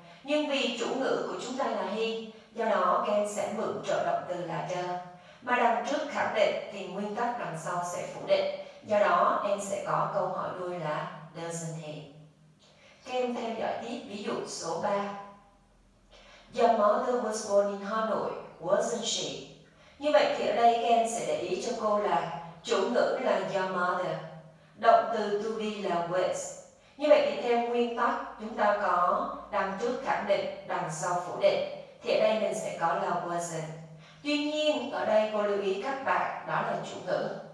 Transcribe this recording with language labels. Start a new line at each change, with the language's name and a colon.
Vietnamese: Nhưng vì chủ ngữ của chúng ta là he, do đó các em sẽ mượn trợ động từ là chơ. Mà đằng trước khẳng định thì nguyên tắc đằng sau sẽ phủ định. Do đó em sẽ có câu hỏi đuôi là
English: doesn't he.
Vietnamese: Các em theo dõi tiếp ví dụ số 3.
English: Your mother was born in Hà Nội, wasn't she?
Vietnamese: Như vậy thì ở đây các em sẽ để ý cho cô là chủ ngữ là your mother, động từ to be là was. Như vậy thì theo nguyên tắc chúng ta có đằng trước khẳng định, đằng sau phủ định thì ở đây mình sẽ có là wasn't. Tuy nhiên ở đây cô lưu ý các bạn đó là chủ ngữ.